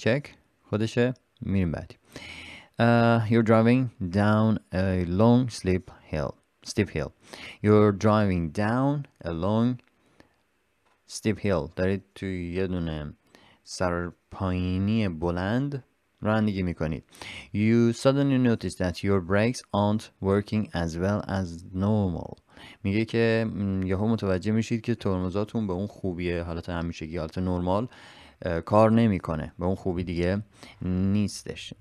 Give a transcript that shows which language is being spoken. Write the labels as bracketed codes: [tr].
[fa] چک خودشه، میریم بعدی. [en] You're driving down a long steep hill. You're driving down a long steep hill. [fa] دارید توی یه دونه سرپایینی بلند رانندگی میکنید. [en] You suddenly notice that your brakes aren't working as well as normal. [fa] میگه که یهو متوجه میشید که ترمزاتون به اون خوبی حالت همیشگی، حالت نرمال، کار نمیکنه، به اون خوبی دیگه نیستش.